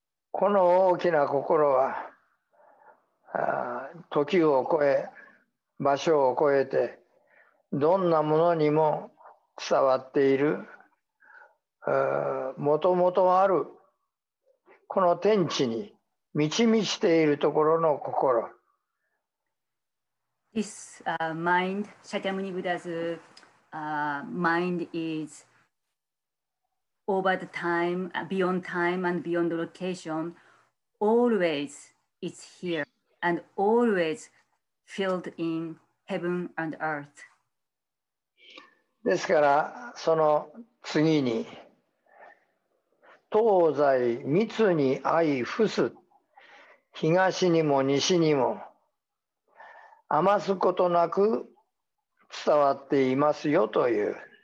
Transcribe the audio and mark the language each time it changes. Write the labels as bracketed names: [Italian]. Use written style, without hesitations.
[Japanese] この大きな心は、時を超え、場所を超えて、どんなものにも伝わっている、もともとある、この天地に満ち満ちているところの心。 [English] This mind, Shakyamuni Buddha's mind is over the time, beyond time and beyond location, always it's here and always filled in heaven and earth. [Japanese] ですから、その次に、東西密に相伏す、東にも西にも、余すことなく伝わっていますよという。